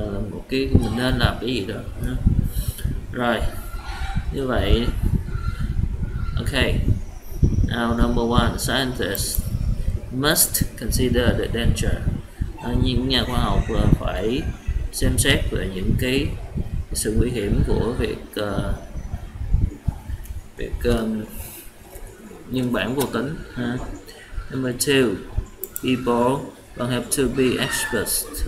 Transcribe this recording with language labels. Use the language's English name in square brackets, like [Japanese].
[Vietnamese] Một cái mình nên làm cái gì đó. Rồi như vậy, ok. [English] Now number one, scientists must consider the danger. [Vietnamese] Những nhà khoa học phải xem xét về những cái sự nguy hiểm của việc nhân bản vô tính. [English] Number two, people don't have to be experts.